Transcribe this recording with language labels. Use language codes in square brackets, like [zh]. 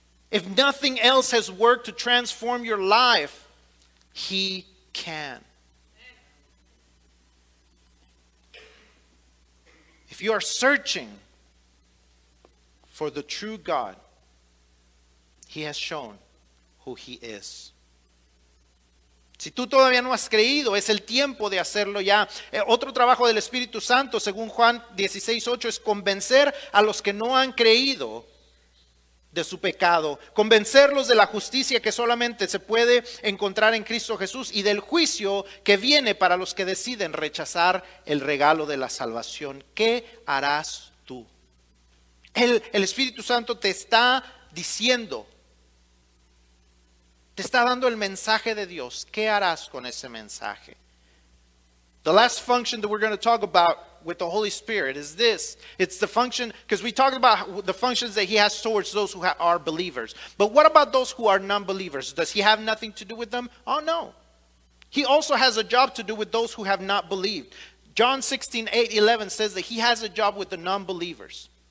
[en] If nothing else has worked to transform your life, he can. If you are searching for the true God, he has shown who he is. [es] Si tú todavía no has creído, es el tiempo de hacerlo ya. Otro trabajo del Espíritu Santo, según Juan 16:8, es convencer a los que no han creído de su pecado. Convencerlos de la justicia que solamente se puede encontrar en Cristo Jesús y del juicio que viene para los que deciden rechazar el regalo de la salvación. ¿Qué harás tú? El Espíritu Santo te está diciendo, te está dando el mensaje de Dios. ¿Qué harás con ese mensaje? [en] The last function that we're going to talk about with the Holy Spirit is this. It's the function, because we talked about the functions that he has towards those who are believers. But what about those who are non-believers? Does he have nothing to do with them? Oh, no. He also has a job to do with those who have not believed. John 16:8-11 says that he has a job with the non-believers.